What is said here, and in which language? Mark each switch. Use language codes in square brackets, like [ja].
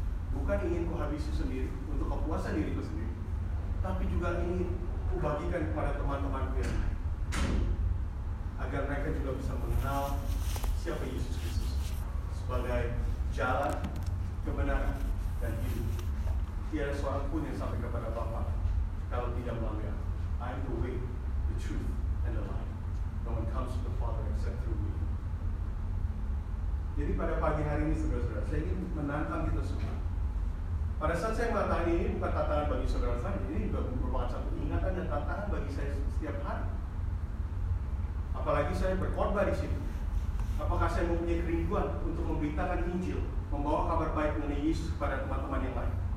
[id] Bukan ingin kuhabisi sendiri untuk kepuasan diriku sendiri, tapi juga ingin kubagikan kepada teman-temanku yang lain, agar mereka juga bisa mengenal siapa Yesus Kristus sebagai jalan, kebenaran, dan hidup. Tiada seorang pun yang sampai kepada Bapa kalau tidak melalui aku. [en] I am the way, the truth, and the life. No one comes to the Father except through me. [id] Jadi pada pagi hari ini, saudara-saudara, saya ingin menantang kita semua. Pada saat saya mengatakan ini bukan tantangan bagi saudara-saudara, ini juga merupakan satu ingatan dan tantangan bagi saya setiap hari. Apalagi saya berkhotbah di sini. Apakah saya mempunyai kerinduan untuk memberitakan Injil, membawa kabar baik mengenai Yesus kepada teman-teman yang lain?